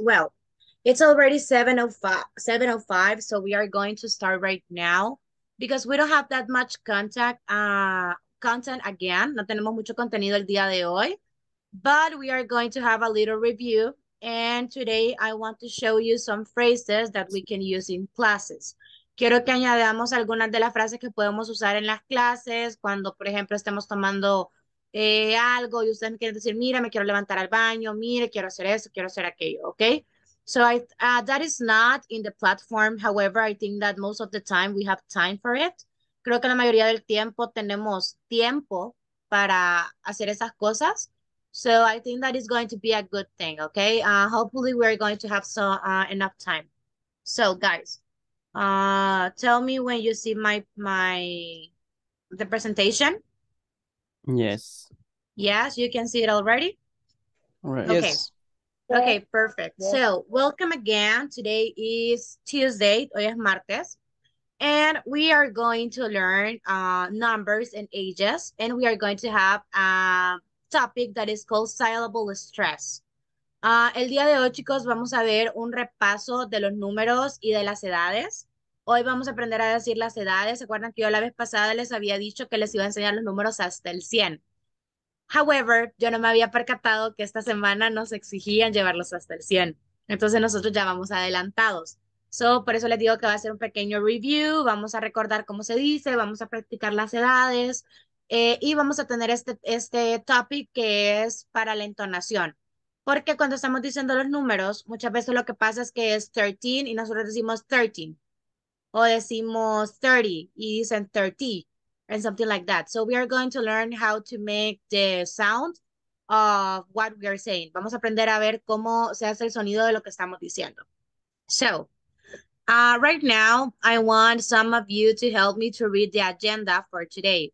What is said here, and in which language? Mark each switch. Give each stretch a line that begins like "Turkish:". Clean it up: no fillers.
English: Well, it's already 7:05, so we are going to start right now because we don't have that much content again.
Spanish: No tenemos mucho contenido el día de hoy,
English: but we are going to have a little review. And today I want to show you some phrases that we can use in classes.
Spanish: Quiero que añadamos algunas de las frases que podemos usar en las clases cuando, por ejemplo, estemos tomando algo y ustedes me quieren decir, mira, me quiero levantar al baño, mire, quiero hacer eso, quiero hacer aquello, okay?
English: So that is not in the platform. However, I think that most of the time we have time for it.
Spanish: Creo que la mayoría del tiempo tenemos tiempo para hacer esas cosas.
English: So I think that is going to be a good thing, okay? Hopefully we're going to have enough time. So guys, tell me when you see the presentation. Yes. Yes, you can see it already? Right. Okay. Yes. Okay, perfect. Yes. So welcome again. Today is Tuesday,
Spanish: hoy es martes.
English: And we are going to learn numbers and ages, and we are going to have topic that is called syllable stress.
Spanish: El día de hoy, chicos, vamos a ver un repaso de los números y de las edades. Hoy vamos a aprender a decir las edades. ¿Se acuerdan que yo la vez pasada les había dicho que les iba a enseñar los números hasta el 100? However, yo no me había percatado que esta semana nos exigían llevarlos hasta el 100. Entonces nosotros ya vamos adelantados. So, por eso les digo que va a ser un pequeño review. Vamos a recordar cómo se dice, vamos a practicar las edades. Y vamos a tener este topic que es para la entonación. Porque cuando estamos diciendo los números, muchas veces lo que pasa es que es 13 y nosotros decimos 13. O decimos 30 y dicen 30
English: and something like that. So we are going to learn how to make the sound of what we are saying.
Spanish: Vamos a aprender a ver cómo se hace el sonido de lo que estamos diciendo.
English: So, Right now, I want some of you to help me to read the agenda for today.